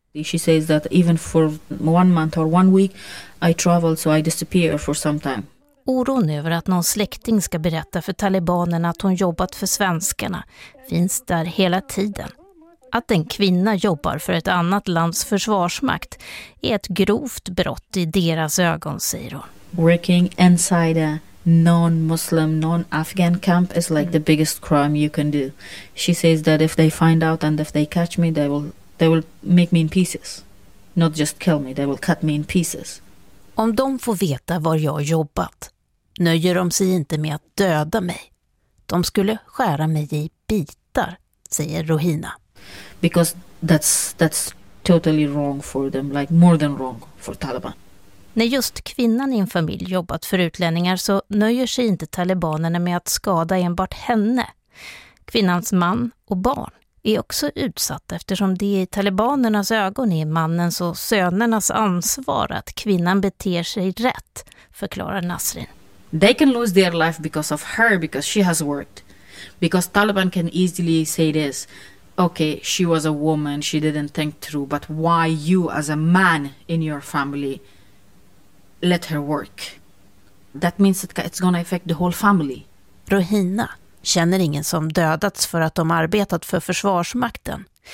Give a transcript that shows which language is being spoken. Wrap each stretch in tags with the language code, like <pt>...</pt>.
<en>She says that even for 1 month or 1 week I travel so I disappear for some time.</en> <sv>Oron över att någon släkting ska berätta för talibanerna att hon jobbat för svenskarna finns där hela tiden. Att en kvinna jobbar för ett annat lands försvarsmakt är ett grovt brott i deras ögon, säger hon.</sv> <en>Working inside a non-Muslim, non-Afghan camp is like the biggest crime you can do. She says that if they find out and if they catch me, they will make me in pieces. Not just kill me, they will cut me in pieces.</en> <sv>Om de får veta var jag jobbat, nöjer de sig inte med att döda mig. De skulle skära mig i bitar, säger Rohina.</sv> <en>Because that's totally wrong for them, like more than wrong for Taliban.</en> <sv>När just kvinnan i en familj jobbat för utlänningar så nöjer sig inte talibanerna med att skada enbart henne. Kvinnans man och barn är också utsatt eftersom det i talibanernas ögon är mannens och sönernas ansvar att kvinnan beter sig rätt, förklarar Nasrin.</sv> <en>They can lose their life because of her, because she has worked. Because Taliban can easily say this. Okay, she was a woman, she didn't think through, but why you as a man in your family let her work? That means it's gonna affect the whole family.</en> <sv>Rohina känner ingen som dödats för att de arbetat för försvarsmakten.</sv>